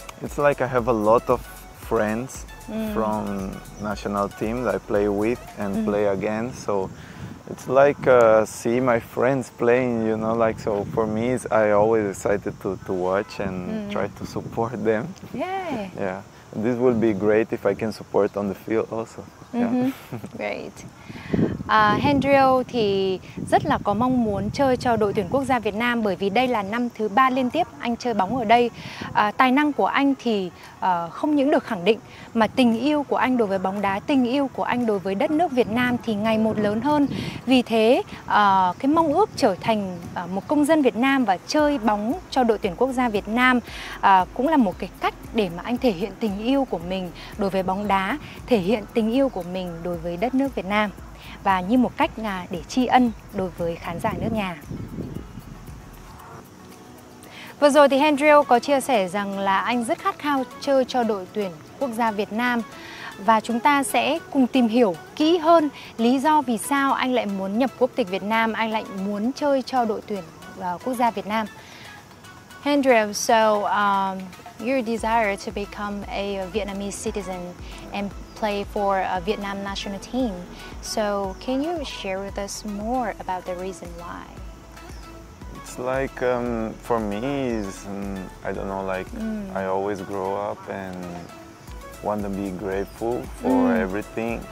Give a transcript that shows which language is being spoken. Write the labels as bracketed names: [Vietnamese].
[English] It's like I have a lot of friends from national team that I play with and play again. So it's like see my friends playing, you know, like, so for me, I always excited to watch and try to support them. Yay. Yeah, this will be great if I can support on the field also. Great. [Vietnamese] Hendrio thì rất là có mong muốn chơi cho đội tuyển quốc gia Việt Nam bởi vì đây là năm thứ 3 liên tiếp anh chơi bóng ở đây. Tài năng của anh thì không những được khẳng định mà tình yêu của anh đối với bóng đá, tình yêu của anh đối với đất nước Việt Nam thì ngày một lớn hơn. Vì thế cái mong ước trở thành một công dân Việt Nam và chơi bóng cho đội tuyển quốc gia Việt Nam cũng là một cái cách để mà anh thể hiện tình yêu của mình đối với bóng đá, thể hiện tình yêu của mình đối với đất nước Việt Nam, và như một cách để tri ân đối với khán giả nước nhà. Vừa rồi thì Hendrio có chia sẻ rằng là anh rất khát khao chơi cho đội tuyển quốc gia Việt Nam, và chúng ta sẽ cùng tìm hiểu kỹ hơn lý do vì sao anh lại muốn nhập quốc tịch Việt Nam, anh lại muốn chơi cho đội tuyển quốc gia Việt Nam. [English] Hendrio, so your desire to become a Vietnamese citizen and play for a Vietnam national team. So can you share with us more about the reason why? It's like for me, I don't know, like I always grow up and want to be grateful for everything.